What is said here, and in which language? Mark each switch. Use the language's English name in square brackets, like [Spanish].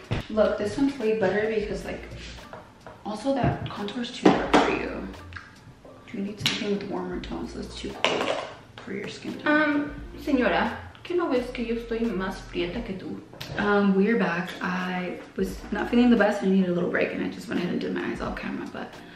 [English] Look, this one's way better because, like, also that contour is too dark for you. You need something with warmer tones. That's too cold for your skin tone. [Spanish] Señora, ¿qué no ves que yo estoy más prieta que tú? [English] We're back. I was not feeling the best and I needed a little break and I just went ahead and did my eyes off camera, but...